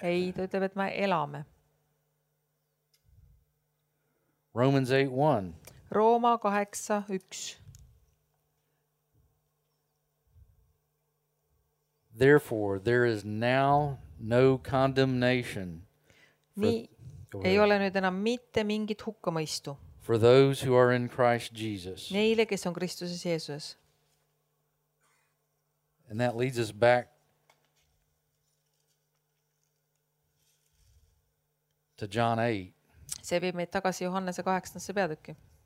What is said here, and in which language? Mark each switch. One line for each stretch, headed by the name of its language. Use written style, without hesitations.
Estonian: Ei, ta ütleb, et me elame.
English: Romans 8:1.
Estonian: Rooma 8:1.
English: Therefore, there is now no condemnation.
Estonian: Nii ei ole nüüd enam mitte mingit hukkamõistu.
English: For those who are in Christ Jesus.
Estonian: Neile, kes on Kristuses Jeesuses.
English: And that leads us back to John 8.
Estonian: See viib meid tagasi Johannese 8. Peatükki.